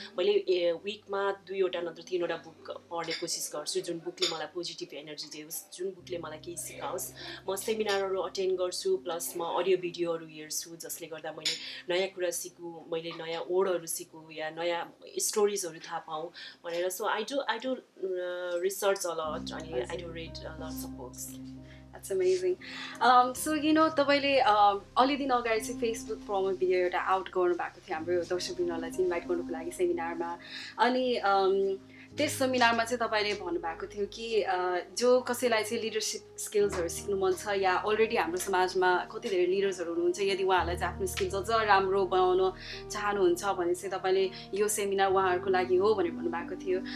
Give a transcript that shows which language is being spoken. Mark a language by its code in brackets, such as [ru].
[ne] मैले विकमा दुईवटा नत्र तिनवटा बुक पढ्ने कोसिस गर्छु, जुन बुकले मलाई पोजिटिभ एनर्जी दियोस्, जुन बुकले मलाई केही सिकाओस्. म सेमिनारहरू अटेन्ड गर्छु, प्लस म अडियो भिडियोहरू हेर्छु जसले गर्दा मैले नयाँ कुरा सिकु, मैले नयाँ वर्डहरू सिकु या नयाँ स्टोरिजहरू थाहा पाऊँ भनेर. [en] So I do research a lot अनि I do read lots of books. That's amazing. So you know, [ne] तपाईँले अलिदिन अगाडि चाहिँ फेसबुक प्रमो भिडियो एउटा आउट गर्नुभएको थियो हाम्रो दर्शकवृन्दलाई इन्भाइट गर्नुको लागि सेमिनारमा. अनि त्यस सेमिनारमा चाहिँ तपाईँले भन्नुभएको थियो कि जो कसैलाई चाहिँ लिडरसिप स्किल्सहरू सिक्नु मन छ या अलरेडी हाम्रो समाजमा कति धेरै लिडर्सहरू हुनुहुन्छ, यदि उहाँहरूलाई चाहिँ आफ्नो स्किल्स अझ राम्रो बनाउन चाहनुहुन्छ भने चाहिँ तपाईँले यो सेमिनार उहाँहरूको लागि हो भनेर भन्नुभएको थियो.